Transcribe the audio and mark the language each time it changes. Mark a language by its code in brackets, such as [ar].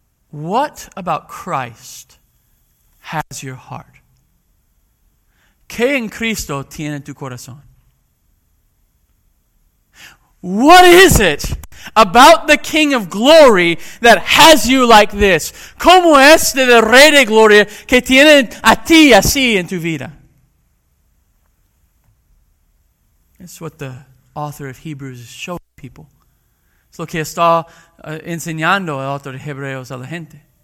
[en] What about Christ has your heart? [es] ¿Qué en Cristo tiene tu corazón? [en] What is it about the King of Glory that has you like this? [es] ¿Cómo es de el Rey de Gloria que tiene a ti así en tu vida? [en] That's what the author of Hebrews is showing people. [es] Es lo que está enseñando el autor de Hebreos a la gente.